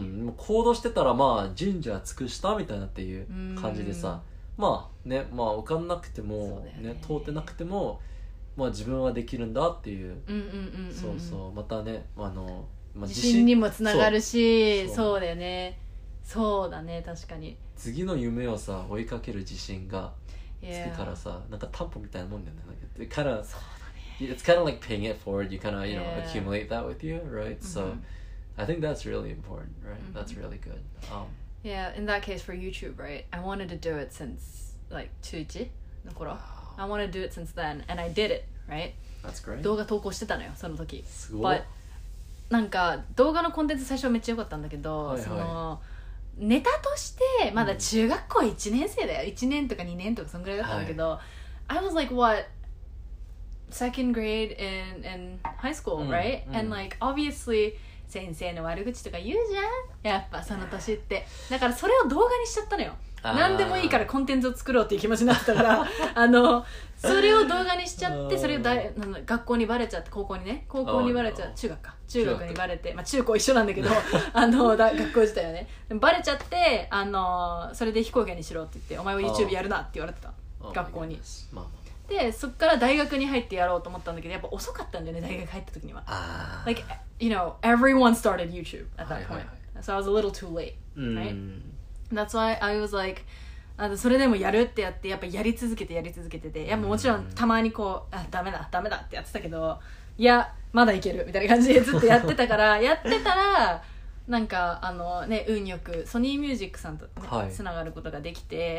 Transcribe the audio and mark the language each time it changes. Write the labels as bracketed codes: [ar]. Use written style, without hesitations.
[ja] うん、もう行動してたらまあ神社尽くしたみたいなっていう感じでさ、まあね、まあ受かんなくても、ね、通ってなくても、まあ自分はできるんだっていう、そうそう、またね、まあ、自信にもつながるし、そうだよね、そうだね、確かに次の夢をさ追いかける自信が次からさ、なんか担保みたいなもんだよね。 [en] Kind of, [ja] そうだね。 [en] It's kind of like paying it forward. You kind of, you know, accumulate that with you, right? So, I think that's really important, right? That's really good. Yeah, in that case for YouTube, right? I wanted to do it since, like, [ja] 中1の頃。 [en] I wanted to do it since then, and I did it, right? That's great. [ja] 動画投稿してたのよ、その時。すごい。 [en] But, [ja] なんか、動画のコンテンツ最初はめっちゃ良かったんだけど、はいはい、その、ネタとしてまだ中学校1年生だよ、1年とか2年とかそんぐらいだったんだけど、はい、 [en] I was like what second grade in high school、 [ja] うん、 [en] right、 [ja] うん、 [en] and like obviously [ja] 先生の悪口とか言うじゃんやっぱその年って、だからそれを動画にしちゃったのよ。何でもいいからコンテンツを作ろうっていう気持ちになったからあのそれを動画にしちゃってそれを学校にバレちゃって高校にね高校にバレちゃう中学か中学にバレてまあ中高一緒なんだけどあの学校自体はねバレちゃってあのそれで非公開にしろって言ってお前は YouTube やるなって言われてた学校に、まあ、でそっから大学に入ってやろうと思ったんだけどやっぱ遅かったんだよね大学入った時にはあ [en] like you know everyone started YouTube at that point、 [ja] はいはい、 [en] so I was a little too late、right? That's why I was like [ja] あのそれでもやるってやってやっぱやり続けてやり続けててやっぱもちろんたまにこうあダメだダメだってやってたけどいやまだいけるみたいな感じでずっとやってたからやってたらなんかあのね運よくソニーミュージックさんとつながることができて、